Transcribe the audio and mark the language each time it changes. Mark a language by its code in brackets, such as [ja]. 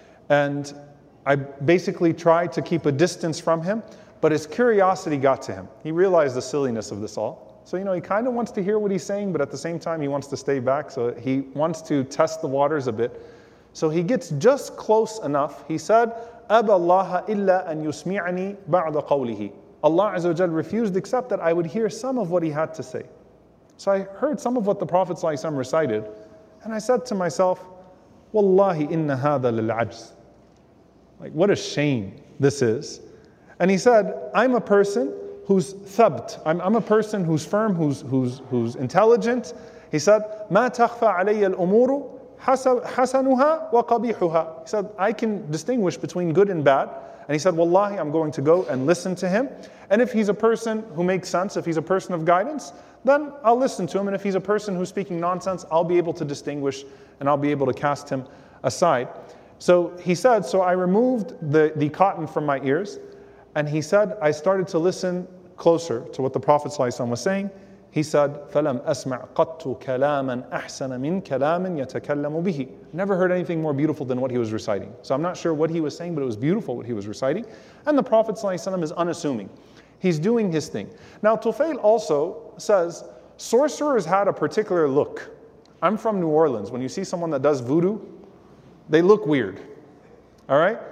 [en] And I basically tried to keep a distance from him. But his curiosity got to him. He realized the silliness of this all. So, you know, he kind of wants to hear what he's saying, but at the same time, he wants to stay back. So he wants to test the waters a bit. So he gets just close enough. He said, [ar] أَبَى اللَّهَ إِلَّا أَنْ يُسْمِعَنِي بَعْضَ قَوْلِهِ. [en] Allah Azza wa Jal refused except that I would hear some of what he had to say. So I heard some of what the Prophet ﷺ recited. And I said to myself, [ar] وَاللَّهِ إِنَّ هَذَا لِلْعَجْزِ. [en] Like, what a shame this is. And he said, I'm a person who's thabt. I'm a person who's firm, who's intelligent. He said, [ar] مَا تَخْفَى عَلَيَّ الْأُمُورُ حَسَنُهَا وَقَبِيحُهَا. [en] He said, I can distinguish between good and bad. And he said, wallahi, I'm going to go and listen to him. And if he's a person who makes sense, if he's a person of guidance, then I'll listen to him. And if he's a person who's speaking nonsense, I'll be able to distinguish and I'll be able to cast him aside. So he said, so I removed the cotton from my ears. And he said, I started to listen closer to what the Prophet ﷺ was saying. He said, [ar] فَلَمْ أَسْمَعْ قَطُّ كَلَامًا أَحْسَنَ مِنْ كَلَامٍ يَتَكَلَّمُ بِهِ. [en] Never heard anything more beautiful than what he was reciting. So I'm not sure what he was saying, but it was beautiful what he was reciting. And the Prophet ﷺ is unassuming. He's doing his thing. Now, Tufayl also says, sorcerers had a particular look. I'm from New Orleans. When you see someone that does voodoo, they look weird. All right?